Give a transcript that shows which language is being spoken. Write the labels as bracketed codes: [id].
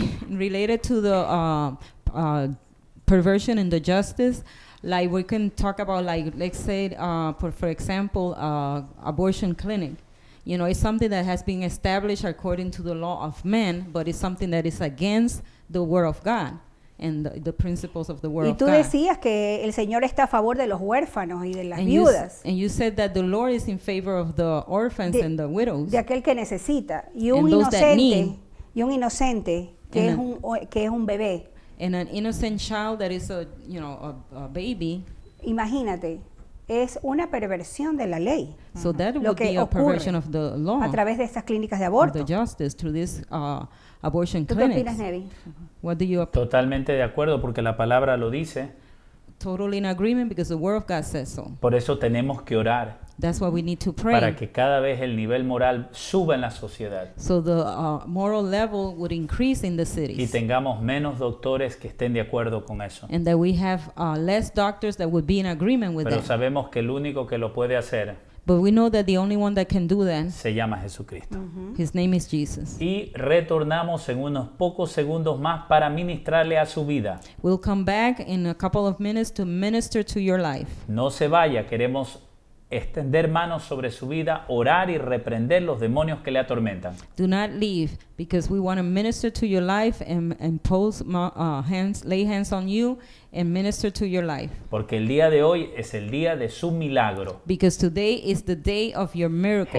[en] Related to the perversion and the justice, like we can talk about, like let's say, for example, abortion clinic. You know, it's something that has been established according to the law of men, but it's something that is against the word of God. and the principles of the word. [es] Y tú decías que el Señor está a favor de los huérfanos y de las viudas. [en] And you said that the Lord is in favor of the orphans and the widows. [es] De aquel que necesita y un inocente y un inocente que es un bebé. [en] And an innocent child that is a, you know, a baby. [es] Imagínate. Es una perversión de la ley. [en] So that would be a perversion of the law. [es] A través de estas clínicas de aborto. [en] The justice through this abortion clinics. [es] ¿Qué opinas, Nevi? [en] What do you [es] Totalmente de acuerdo porque la palabra lo dice. [en] Totally in agreement because the word of God says so. [es] Por eso tenemos que orar. [en] That's why we need to pray. [es] Para que cada vez el nivel moral suba en la sociedad. [en] So the moral level would increase in the cities. [es] Y tengamos menos doctores que estén de acuerdo con eso. [en] And that we have less doctors that would be in agreement with that. [es] Pero sabemos que el único que lo puede hacer. [en] But we know that the only one that can do that. [es] Se llama Jesucristo. [en] Mm-hmm. His name is Jesus. [es] Y retornamos en unos pocos segundos más para ministrarle a su vida. [en] We'll come back in a couple of minutes to minister to your life. [es] No se vaya, queremos extender manos sobre su vida, orar y reprender los demonios que le atormentan. [en] Do not leave, because we want to minister to your life and impose hands, lay hands on you and minister to your life. [es] Porque el día de hoy es el día de su milagro. [en] Because today is the day of your miracle.